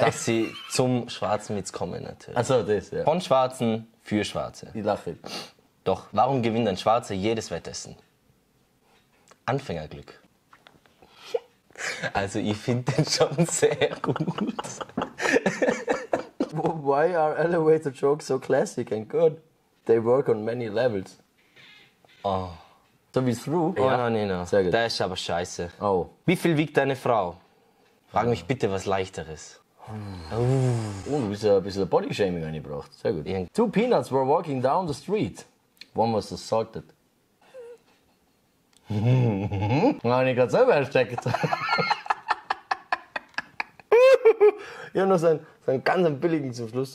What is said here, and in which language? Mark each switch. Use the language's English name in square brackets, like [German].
[German] Dass sie zum schwarzen Witz kommen, natürlich. Achso, das, ja. Von Schwarzen für Schwarze. Ich lache. Doch, warum gewinnt ein Schwarzer jedes Wettessen? Anfängerglück. Also, ich finde den schon sehr gut. [English] Why are elevator jokes so classic and good? They work on many levels. Oh. [German] So wie [English] through? [German] Ja, oh, nein, nein. Sehr gut. Der ist aber scheiße. Oh. Wie viel wiegt deine Frau? Frag mich bitte was Leichteres. Oh, du bist ja ein bisschen Body-Shaming angebracht. Sehr gut. Ja. [English] 2 peanuts were walking down the street. One was assaulted. [German] Hab ich gerade selber erschreckt. Ich hab noch so einen ganz billigen zum Schluss.